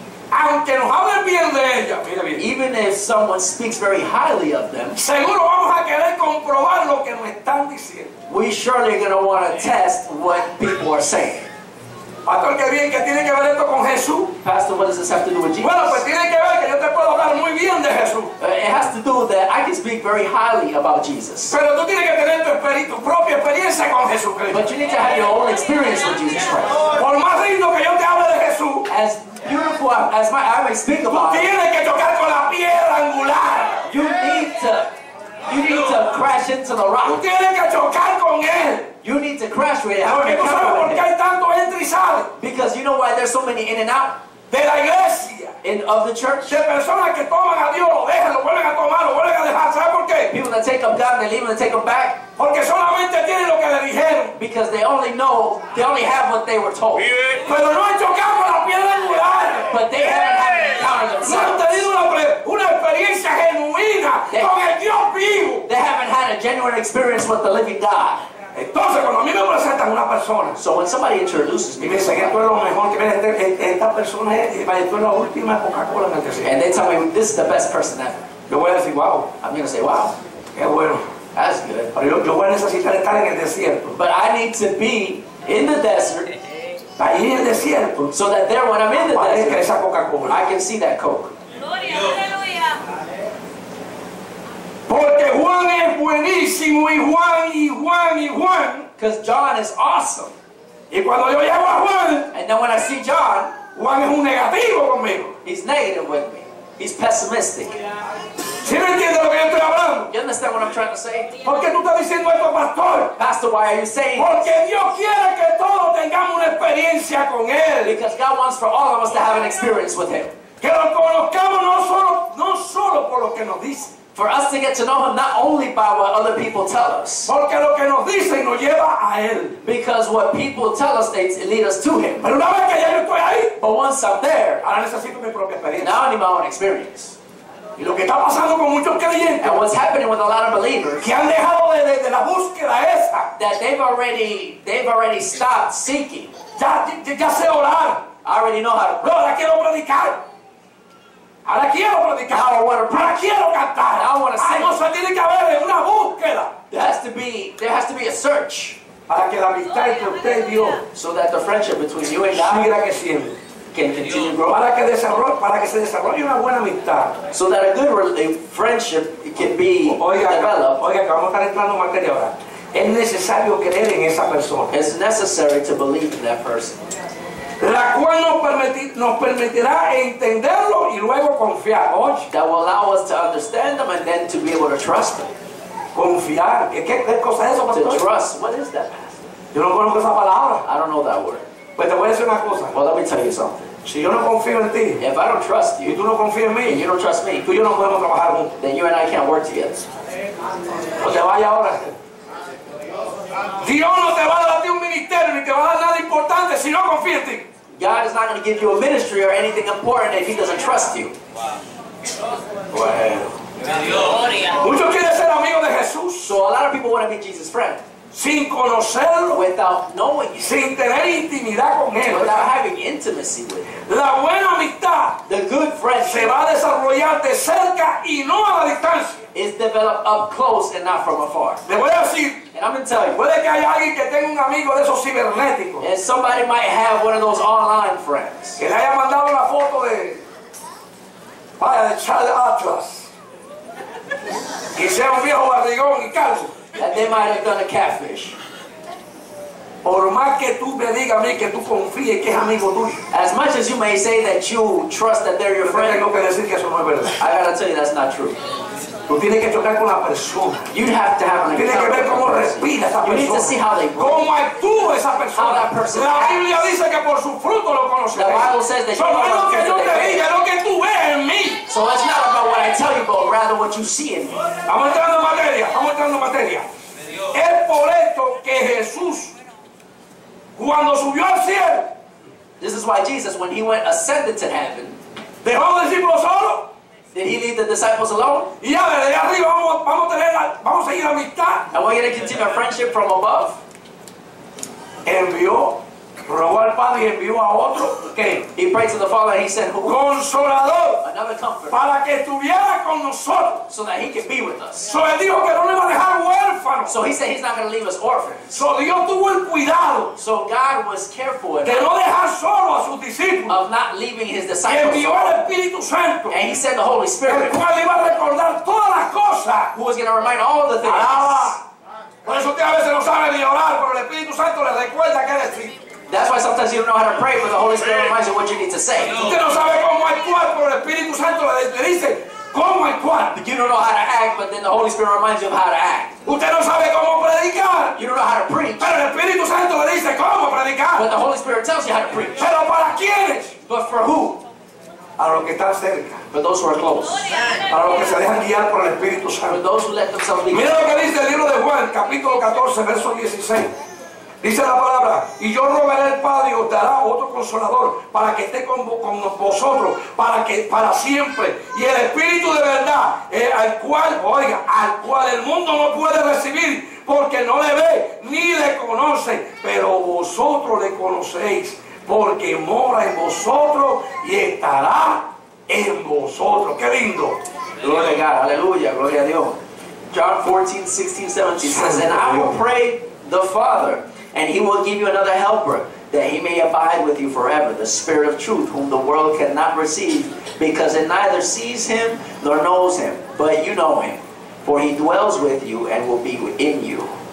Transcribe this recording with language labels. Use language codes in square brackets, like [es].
[es] aunque nos hablen bien de ella, mira bien, [en] even if someone speaks very highly of them, [es] seguro vamos a querer comprobar lo que nos están diciendo. [en] We surely are going to want to test what people are saying. [es] Pastor, qué bien, ¿qué tiene que ver esto con Jesús? [en] Pastor, what does this have to do with Jesus? [es] Bueno, pues tiene que ver que yo te puedo hablar muy bien de Jesús. [en] It has to do that I can speak very highly about Jesus. [es] Pero tú tienes que tener tu propia experiencia con Jesucristo. [en] But you need to have your own experience with Jesus Christ. [es] Por más lindo que yo te hable de Jesús, [en] as beautiful as my, I may speak about [es] tú tienes que tocar con la piedra angular. [en] You need to crash into the rock. [es] Tú tienes que chocar con él. [en] You need to crash with him. [es] Porque tú sabes por qué hay tanto entra y sale. [en] Because you know why there's so many in and out? [es] De la iglesia. [en] In, of the church. [es] De personas que toman a Dios, lo dejan, lo vuelven a tomar, lo vuelven a dejar. ¿Sabes por qué? [en] People that take up God and they leave him and take him back. [es] Porque solamente tienen lo que le dijeron. [en] Because they only know, they only have what they were told. [es] Pero no han chocado con la piedra angular. [en] But they haven't had an encounter themselves. [es] No han tenido una experiencia genuina con el Dios vivo. [en] They haven't had a genuine experience with the living God. [es] Entonces cuando a mí me presentan una persona, [en] so when somebody introduces me, [es] dice que tú eres lo mejor, que esta persona es, tú eres la última Coca-Cola que te. [en] And they tell me this is the best person ever. [es] Yo voy a decir wow. [en] I'm gonna say wow. [es] Qué bueno. [en] That's good. [es] Pero yo voy a necesitar estar en el desierto. [en] But I need to be in the desert. [es] Ahí en el desierto. [en] So that there when I'm in the desert, [es] aparezca esa Coca-Cola. [en] I can see that Coke. [es] Gloria, aleluya. Porque Juan es buenísimo y Juan. [en] Because John is awesome. [es] Y cuando yo llego a Juan, [en] and then when I see John, [es] Juan es un negativo conmigo. [en] He's negative with me. He's pessimistic. [es] ¿Sí me entiendes lo que yo estoy hablando? [en] You understand what I'm trying to say? [es] ¿Por qué tú estás diciendo esto, pastor? [en] Pastor, why are you saying this? [es] Porque Dios quiere que todos tengamos una experiencia con él. [en] Because God wants for all of us to have an experience with him. [es] Que lo conozcamos no solo por lo que nos dice. [en] For us to get to know him not only by what other people tell us. [es] Porque lo que nos dicen nos lleva a él. [en] Because what people tell us, it leads us to him. [es] Pero una vez que ya yo estoy ahí, [en] but once I'm there, [es] ahora necesito mi propia experiencia. [en] Now I need my own experience. [es] Y lo que está pasando con muchos creyentes, [en] and what's happening with a lot of believers, [es] que han dejado de la búsqueda esa, [en] that they've already stopped seeking. [es] Ya sé orar. [en] I already know how to pray. [es] No, la quiero predicar. Ahora quiero predicar. [en] Now I want to preach. [es] Ahora quiero cantar. [en] Now I want to sing. [es] Ay, no, tiene que haber una búsqueda. [en] There has to be a search. [es] Para que la amistad entre usted y Dios, [en] so that the friendship between you and God, [es] siga creciendo, [en] can continue growing. [es] Para que se desarrolle una buena amistad. [en] So that a good friendship can be developed. [es] Oiga, que vamos a estar entrando en materia ahora. Es necesario creer en esa persona. [en] It's necessary to believe in that person. [es] La cual nos permitirá entenderlo y luego confiar. Oye, [en] that will allow us to understand them and then to be able to trust them. [es] Confiar, ¿qué cosa es eso, pastor? [en] To trust, what is that, pastor? [es] Yo no conozco esa palabra. [en] I don't know that word. [es] Pues te voy a decir una cosa. [en] Well, let me tell you something. [es] Si yo no confío en ti, [en] if I don't trust you, [es] y tú no confías en mí, [en] and you don't trust me, [es] tú y yo no podemos trabajar juntos. [en] Then you and I can't work together. [es] O te vaya ahora. Dios no te va a dar un ministerio ni te va a dar nada importante si no confía en ti. [en] God is not going to give you a ministry or anything important if he doesn't trust you. [es] Muchos quieren ser amigos de Jesús. [en] So a lot of people want to be Jesus' friend. [es] Sin conocerlo. [en] Without knowing him. [es] Sin tener intimidad con él. [en] Without having intimacy with him. [es] La buena amistad. [en] The good friendship. [es] Se va a desarrollar de cerca y no a la distancia. [en] Is developed up close and not from afar. [es] Le voy a decir. [en] And I'm going to tell you. [es] Puede que haya alguien que tenga un amigo de esos cibernéticos. [en] And somebody might have one of those online friends. [es] Que le haya mandado una foto de. Vaya, de Charles Atlas. Y sea un viejo barrigón y calvo. [en] That they might have done a catfish. [es] Por más que tú me digas a mí que tú confíes que es amigo tuyo. [en] As much as you may say that you trust that they're your friend. [es] Tengo que decir que eso no es verdad. [en] I gotta tell you that's not true. [es] Tú tienes que tocar con la persona. [en] You have to have an encounter. [es] Tienes que ver cómo respira esa persona. [en] You need to see how they breathe. [es] Cómo actúa esa persona. [en] How that person acts. [es] La Biblia dice que por su fruto lo conoceréis. [en] The Bible says that you know the fruit that they bear. [es] Lo que tú ves en mí. [en] So it's not about what I tell you, but rather what you see in me. [es] Estamos entrando en materia. Es por esto que Jesús, cuando subió al cielo, [en] This is why Jesus, when he went ascended to heaven, [es] dejó a los discípulos solo. [en] Did he leave the disciples alone? [es] Y ya, desde arriba vamos a seguir la amistad. [en] And we're going to continue our friendship from above. [es] Envió, rogó al Padre y envió a otro. [en] Okay. He prayed to the Father and he said, who? [es] Consolador. [en] Another comfort. [es] Para que estuviera con nosotros. [en] So that he could be with us. [es] So él dijo que no le va a dejar huérfanos. [en] So he said he's not going to leave us orphans. [es] So Dios tuvo el cuidado. [en] So God was careful enough. [es] De no dejar solo a sus discípulos. [en] Of not leaving his disciples. [es] Y envió al Espíritu Santo. [en] And he sent the Holy Spirit. [es] El cual iba a recordar todas las cosas. [en] Who was going to remind all the things. [es] Alaba. Por eso usted a veces no sabe ni orar, pero el Espíritu Santo le recuerda que eres tú. [en] That's why sometimes you don't know how to pray, but the Holy Spirit reminds you what you need to say. [es] Usted no sabe cómo actuar, pero el Espíritu Santo le dice cómo actuar. [en] You don't know how to act, but then the Holy Spirit reminds you of how to act. [es] Usted no sabe cómo predicar. [en] You don't know how to preach. [es] Pero el Espíritu Santo le dice cómo predicar. [en] But the Holy Spirit tells you how to preach. [es] Pero para quiénes. [en] But for who? [es] A los que están cerca. [en] For those who are close. [es] A los que se dejan guiar por el Espíritu Santo. [en] For those who let themselves lead. [es] Mira lo que dice el libro de Juan, capítulo 14, verso 16. Dice la palabra, y yo rogaré al Padre y os dará otro Consolador para que esté con vosotros para siempre. Y el Espíritu de verdad, al cual el mundo no puede recibir porque no le ve ni le conoce, pero vosotros le conocéis porque mora en vosotros y estará en vosotros. ¡Qué lindo! Gloria a Dios. Aleluya, gloria a Dios. [en] John 14, 16, 17 says, and I will pray the Father, and he will give you another helper, that he may abide with you forever, the Spirit of truth, whom the world cannot receive, because it neither sees him nor knows him, but you know him, for he dwells with you and will be in you.